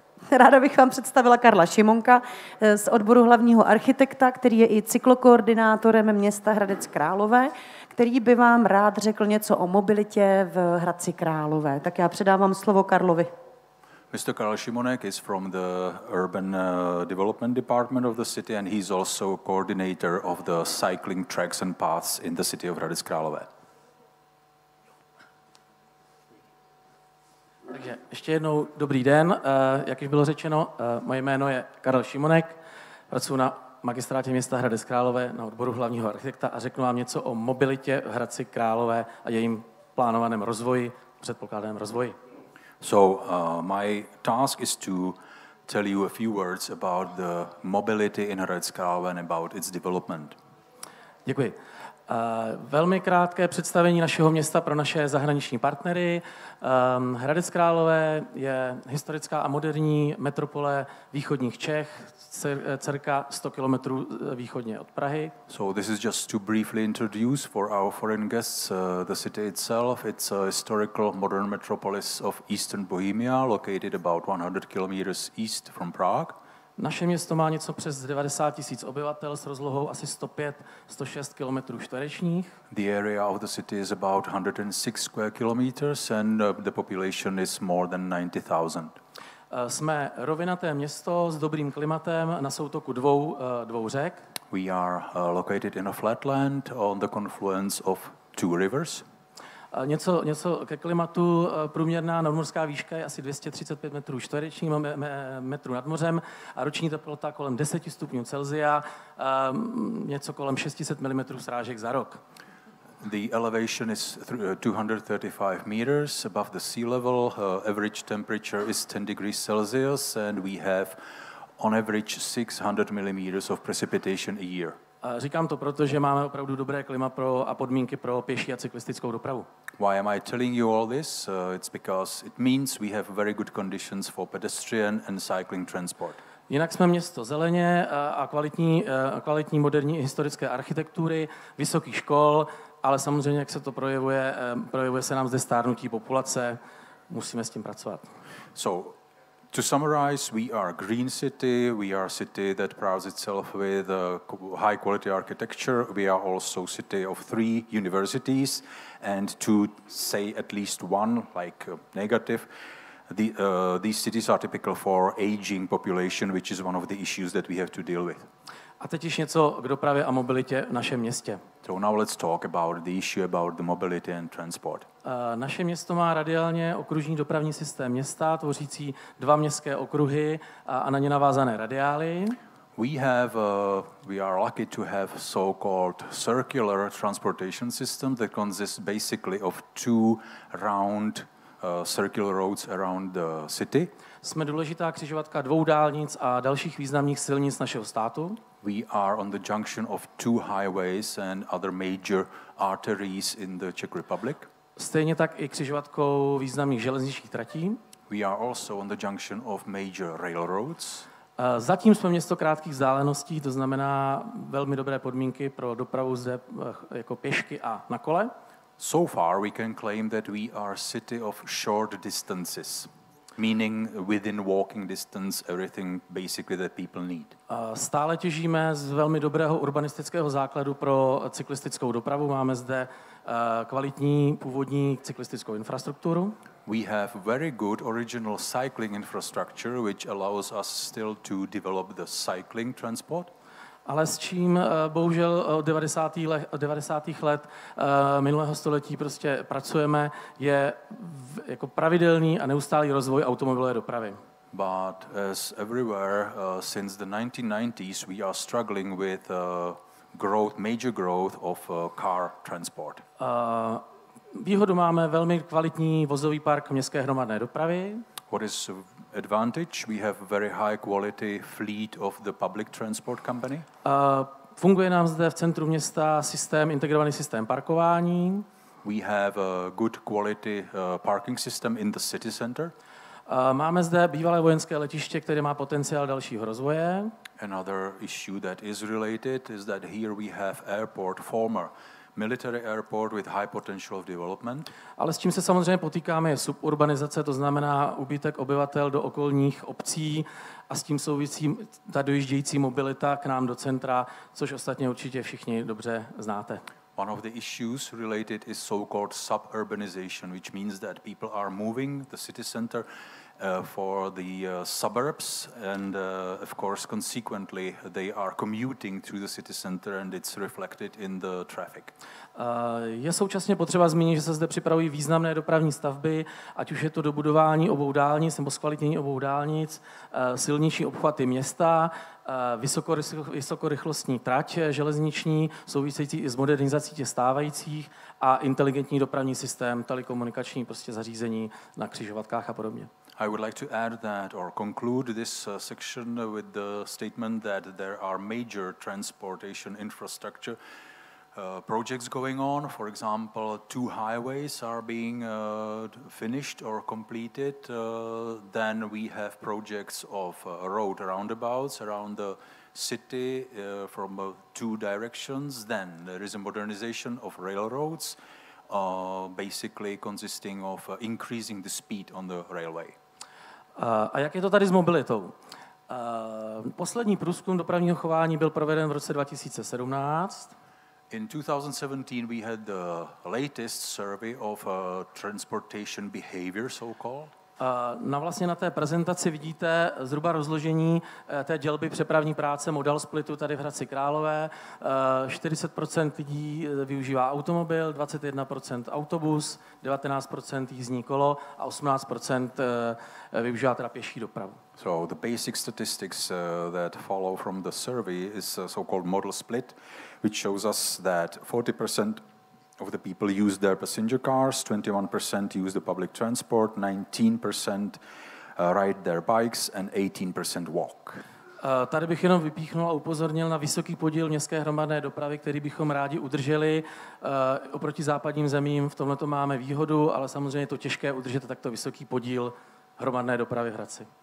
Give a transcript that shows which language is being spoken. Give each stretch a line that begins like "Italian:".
Czech: Ráda bych vám představila Karla Šimonka z odboru hlavního architekta, který je i cyklokoordinátorem města Hradec Králové, který by vám rád řekl něco o mobilitě v Hradci Králové. Tak já předávám slovo Karlovi.
English: Mr. Karel Šimonek is from the Urban Development Department of the city and he's also coordinator of the cycling tracks and paths in the city of Hradec Králové.
Czech: Takže ještě jednou dobrý den, jak již bylo řečeno, moje jméno je Karel Šimonek, pracuji na magistrátě města Hradec Králové na odboru hlavního architekta a řeknu vám něco o mobilitě v Hradci Králové a jejím plánovaném rozvoji, předpokládaném rozvoji.
English: So my task is to tell you a few words about the mobility in Hradec Králové and about its development.
Czech: Děkuji. Velmi krátké představení našeho města pro naše zahraniční partnery. Hradec Králové je historická a moderní metropole východních Čech, cca 100 kilometrů východně od Prahy.
English: So this is just to briefly introduce for our foreign guests the city itself. It's a historical modern metropolis of eastern Bohemia, located about 100 kilometers east from Prague.
Czech: Naše město má něco přes 90 tisíc obyvatel s rozlohou asi 105-106 kilometrů čtverečních.
English: The area of the city is about 106 square kilometers and the population is more than 90,000.
Czech: Jsme rovinaté město s dobrým klimatem na soutoku dvou řek.
English: We are located in a flatland on the confluence of two rivers.
Czech: Něco ke klimatu, průměrná nadmořská výška je asi 235 metrů čtverečních metrů nad mořem a roční teplota kolem 10 stupňů Celsia, něco kolem 600 mm srážek za rok.
English: The elevation is 235 meters above the sea level, average temperature is 10 degrees Celsius and we have on average 600 mm of precipitation a year.
Czech: Říkám to proto, že máme opravdu dobré klima pro a podmínky pro pěší a cyklistickou dopravu.
English: Why am I telling you all this? It's because it means we have very good conditions for pedestrian and cycling transport.
Czech: Jinak jsme město zeleně a kvalitní moderní historické architektury, vysokých škol, ale samozřejmě, jak se to projevuje se nám zde stárnutí populace, musíme s tím pracovat.
English: So, to summarize, we are a green city, we are a city that prouds itself with high quality architecture, we are also a city of three universities, and to say at least one, like negative, these cities are typical for aging population, which is one of the issues that we have to deal with.
Czech: A teď již něco k dopravě a mobilitě v našem městě.
English: So now let's talk about the issue about the mobility and transport.
Czech: Naše město má radiálně okružní dopravní systém města, tvořící dva městské okruhy a na ně navázané radiály.
English: We are lucky to have so-called circular transportation system that consists basically of two round circular roads around the city.
Czech: Jsme důležitá křižovatka dvou dálnic a dalších významných silnic našeho státu.
English: We are on the junction of two highways and other major arteries in the Czech Republic.
Czech: Stejně tak i křižovatkou významných železničních tratí.
English: We are also on the junction of major railroads.
Czech: Zatím jsme město krátkých vzdáleností, to znamená velmi dobré podmínky pro dopravu zde jako pěšky a na kole.
English: So far we can claim that we are city of short distances, meaning within walking distance everything basically that people need.
Czech: Stále těžíme z velmi dobrého urbanistického základu pro cyklistickou dopravu. Máme zde kvalitní původní cyklistickou infrastrukturu.
English: We have very good original cycling infrastructure which allows us still to develop the cycling transport.
Czech: Ale s čím bohužel od 90. let minulého století prostě pracujeme, je jako pravidelný a neustálý rozvoj automobilové dopravy.
English: But as everywhere since the 1990s we are struggling with major growth of car transport.
Czech: Výhodu máme velmi kvalitní vozový park městské hromadné dopravy.
English: What is advantage? We have very high quality fleet of the public transport company.
Czech: Funguje nám zde v centru města systém integrovaný systém parkování.
English: We have a good quality parking system in the city center.
Czech: Máme zde bývalé vojenské letiště, které má potenciál dalšího rozvoje.
English: Another issue that is related is that here we have airport, former military airport with high potential of development.
Czech: Ale s čím se samozřejmě potýkáme je suburbanizace, to znamená úbytek obyvatel do okolních obcí a s tím souvisí ta dojíždějící mobilita k nám do centra, což ostatně určitě všichni dobře znáte.
English: One of the issues related is so-called suburbanization, which means that people are moving the city center for the suburbs and of course consequently they are commuting through the city center and it's reflected in the traffic.
Czech: Je současně potřeba zmínit, že se zde připravují významné dopravní stavby, ať už je to dobudování obou dálnic nebo zkvalitnění obou dálnic, silniční obchvaty města, vysokorychlostní trať železniční, související i s modernizací těch stávajících a inteligentní dopravní systém, telekomunikační prostě zařízení na křižovatkách a podobně.
English: I would like to add that or conclude this section with the statement that there are major transportation infrastructure projects going on. For example, two highways are being finished or completed. Then we have projects of road roundabouts around the city from two directions. Then there is a modernization of railroads, basically consisting of increasing the speed on the railway.
Czech: A jak je to tady s mobilitou? Poslední průzkum dopravního chování byl proveden v roce 2017.
English: In 2017 we had the latest survey of transportation behavior so called.
Czech: Na té prezentaci vidíte zhruba rozložení té dělby přepravní práce modal splitu tady v Hradci Králové. 40% lidí využívá automobil, 21% autobus, 19% jízdní kolo a 18% využívá teda pěší dopravu.
English: So the basic statistics that follow from the survey is so called modal split, which shows us that 40% of the people use their passenger cars, 21% use the public transport, 19% ride their bikes and 18% walk.
Czech: Tady bych jenom vypíchnul a upozornil na vysoký podíl městské hromadné dopravy, který bychom rádi udrželi. Oproti západním zemím v tomhle to máme výhodu, ale samozřejmě je to těžké udržet takto vysoký podíl hromadné dopravy v Hradci.